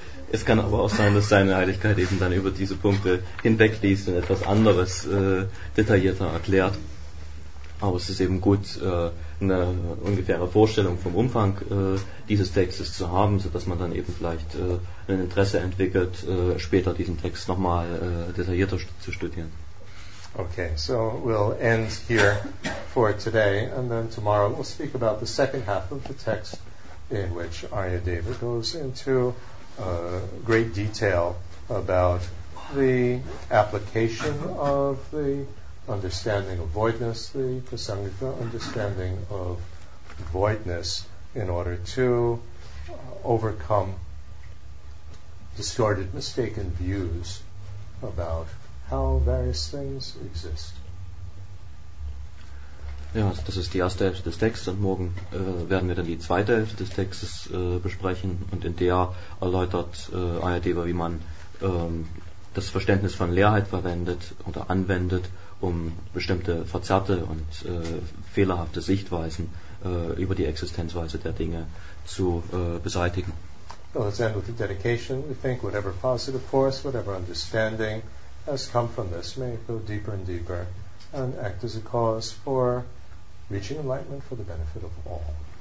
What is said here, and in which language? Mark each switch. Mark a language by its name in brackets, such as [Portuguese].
[German] Es kann aber auch sein, dass seine Heiligkeit eben dann über diese Punkte hinwegliest und etwas anderes detaillierter erklärt. Aber es ist eben gut, eine ungefähre Vorstellung vom Umfang dieses Textes zu haben, sodass man dann eben vielleicht ein Interesse entwickelt, später diesen Text nochmal detaillierter zu studieren. [English] Okay, so we'll end here for today, and then tomorrow we'll speak about the second half of the text, in which Aryadeva goes into great detail about the application of the understanding of voidness, the prasangika understanding of voidness, in order to overcome distorted, mistaken views about how various things exist. [German] Ja, das ist die erste Hälfte des Textes und morgen werden wir dann die zweite Hälfte des Textes besprechen und in der erläutert Aryadeva, wie man das Verständnis von Leerheit verwendet oder anwendet, um bestimmte verzerrte und fehlerhafte Sichtweisen über die Existenzweise der Dinge zu beseitigen. [English] Well, let's end with the dedication. We think whatever positive force, whatever understanding has come from this may go deeper and deeper and act as a cause for reaching enlightenment for the benefit of all.